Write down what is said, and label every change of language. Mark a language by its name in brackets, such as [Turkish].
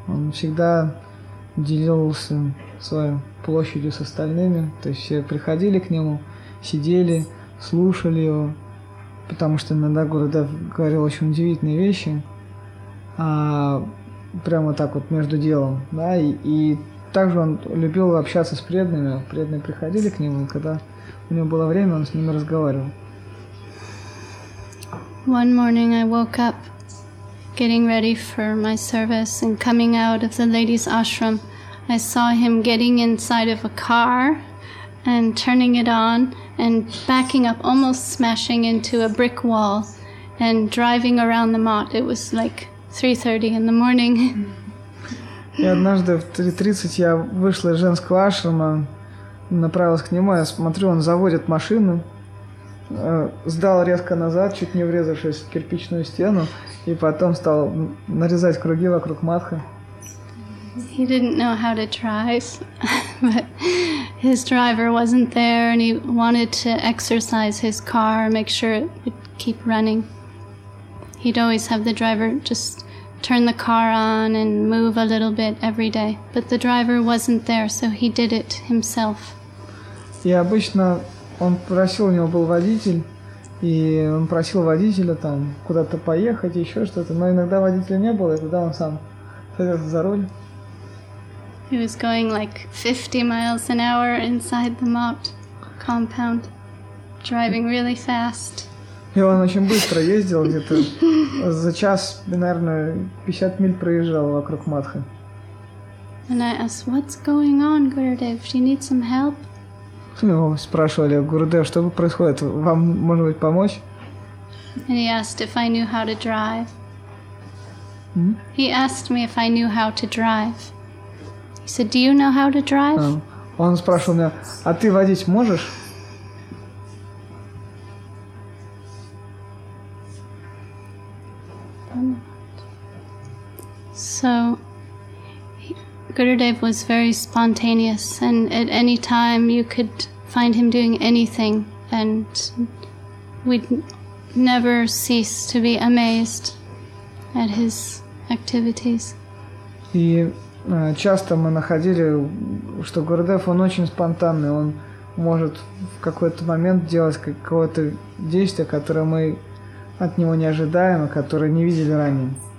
[Russian] Он всегда делился своей площадью с остальными, то есть все приходили к нему, сидели, слушали его, потому что иногда Гурудев говорил очень удивительные вещи, прямо так вот между делом, да, и также он любил общаться с преданными, преданные приходили к нему, и когда у него было время, он с ними разговаривал. [English] One morning I woke up getting ready for my service and coming out of the ladies' ashram. I saw him getting inside of a car and turning it on and backing up, almost smashing into a brick wall and driving around the mat. It was like 3:30 in the morning. [Russian] И однажды в 3:30 я вышла из женского ашрама, направилась к нему, я смотрю, он заводит машину, сдал резко назад, чуть не врезавшись в кирпичную стену, и потом стал нарезать круги вокруг матха. [English] He didn't know how to drive, but his driver wasn't there, and he wanted to exercise his car, make sure it would keep running. He'd always have the driver just turn the car on and move a little bit every day. But the driver wasn't there, so he did it himself. [Russian] И обычно он просил, у него был водитель, и он просил водителя там куда-то поехать, еще что-то. Но иногда водителя не было, и тогда он сам садился за руль. [English] He was going like 50 miles an hour inside the Mott compound, driving really fast. [Russian] И он очень быстро ездил, где-то за час, наверное, 50 миль проезжал вокруг Матха. [English] And I asked, what's going on, Gurudev? Do you need some help? [Russian] Его спрашивали, Гурудев, что происходит? Вам, может быть, помочь? [English] And he asked if I knew how to drive. Mm-hmm. He asked me if I knew how to drive. He said, do you know how to drive? [Russian] Он спрашивал меня, а ты водить можешь? [English] So, Gurudev was very spontaneous, and at any time you could find him doing anything, and we'd never cease to be amazed at his activities. [Russian] И часто мы находили, что Гурудев, он очень спонтанный, он может в какой-то момент делать какое-то действие, которое мы от него не ожидаем, и которое не видели ранее.